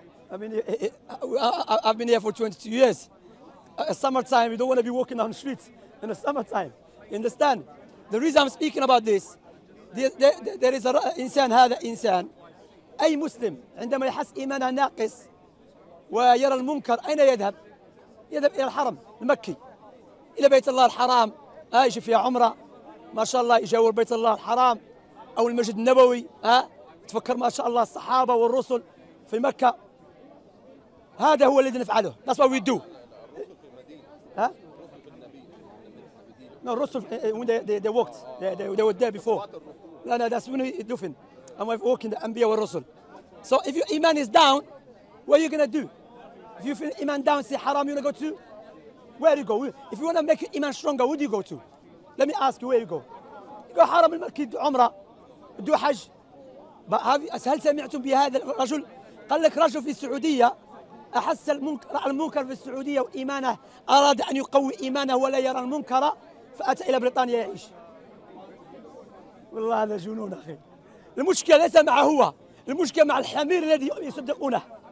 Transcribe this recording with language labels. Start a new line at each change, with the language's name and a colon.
English: I've been here for 22 years. Summertime, you don't want to be walking on the streets in the summertime. You understand? The reason I'm speaking about this, there is a insan,
Arabic: هذا insan, أي مسلم عندما يحس إيمانه ناقص ويرى المنكر أين يذهب؟ يذهب إلى الحرم المكي، إلى بيت الله الحرام، يجي فيها عمرة ما شاء الله، يجاور بيت الله الحرام أو المسجد النبوي، تفكر ما شاء الله الصحابة والرسل في مكة، هذا هو الذي نفعله.
English: That's what we do.
Arabic: الرسل في المدينة.
English: No, الرسل they walked. They were there before. No, that's when we dufin. I'm walking the Anbiya
Arabic: والرسل.
English: So if your iman is down, what are you gonna do? If you feel iman down, say haram, you're gonna go to? Where do you go? If you want to make your iman stronger, where do you go to? Let me ask you, where you go? You go haram al-makki, do umrah, do hajj. But have you,
Arabic: هل سمعتم بهذا الرجل؟ قال لك رجل في السعودية أحس المنكر، رأى المنكر في السعودية وإيمانه أراد أن يقوي إيمانه ولا يرى المنكر فأتى إلى بريطانيا يعيش. والله هذا جنون أخي. المشكلة ليس معه هو، المشكلة مع الحمير الذي يصدقونه.